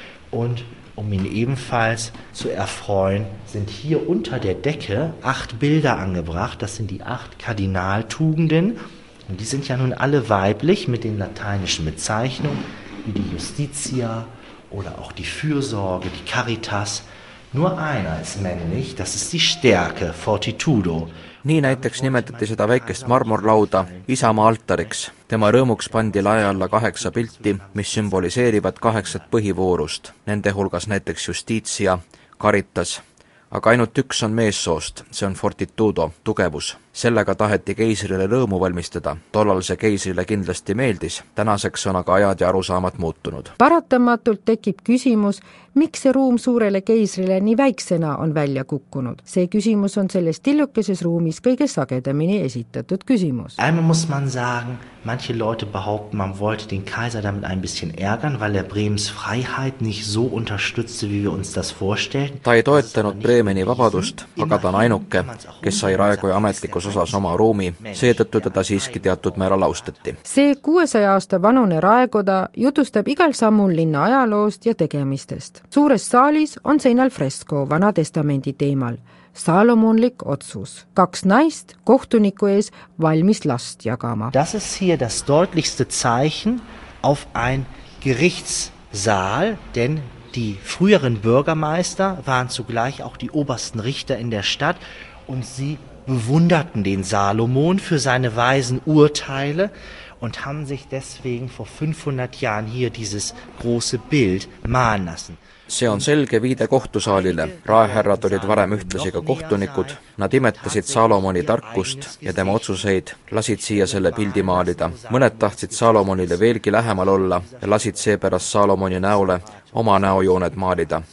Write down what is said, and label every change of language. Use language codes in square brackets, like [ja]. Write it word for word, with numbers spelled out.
[de] Und um ihn ebenfalls zu erfreuen, sind hier unter der Decke acht Bilder angebracht. Das sind die acht Kardinaltugenden. Und die sind ja nun alle weiblich mit den lateinischen Bezeichnungen, wie die Justitia oder auch die Fürsorge, die Caritas. Nur einer ist männlich, das ist die Stärke, Fortitudo. [et] Nii näiteks nimetati seda väikest marmorlauda Isamaa altariks. Tema rõõmuks pandi lae alla kaheksa pilti, mis sümboliseerivad kaheksat põhivoorust. Nende hulgas näiteks Justitia, Caritas, aga ainult üks on meessoost, see on Fortitudo, tugevus. Sellega taheti keisrile rõõmu valmistada. Tollal see keisrile kindlasti meeldis, tänaseks on aga ajad ja arusaamad muutunud. Paratamatult tekib küsimus, miks see ruum suurele keisrile nii väiksena on välja kukkunud. See küsimus on selles tillukeses ruumis kõige sagedamini esitatud küsimus. [de] Einmal muss man sagen, manche Leute behaupten, man wollte den Kaiser damit ein bisschen ärgern, weil er Bremens Freiheit nicht so unterstützte, wie wir uns das vorstellen. [et] Ta ei toetanud Bremeni vabadust, aga ta on ainuke, kes sai Raekoja ametlikus osas oma ruumi, seetõttu teda siiski teatud määral austati. See kuuesaja aasta vanune Raekoda jutustab igal sammul linna ajaloost ja tegemistest. Suures saalis on seinal fresko Vana Testamendi teemal. Salomonlik otsus. Kaks naist kohtuniku ees valmis last jagama. [de] Das ist hier das deutlichste Zeichen auf ein Gerichtssaal, denn die früheren Bürgermeister waren zugleich auch die obersten Richter in der Stadt und sie bewunderten den Salomon für seine weisen Urteile und haben sich deswegen vor fünfhundert Jahren hier dieses große Bild malen lassen. [et] See on selge viide kohtusaalile. Raeherrad olid varem ühtlasi ka kohtunikud. Nad imetasid Saalomoni tarkust ja tema otsuseid, lasid siia selle pildi maalida. Mõned tahtsid Saalomonile veelgi lähemal olla ja lasid seepärast Saalomoni näole oma näojooned maalida.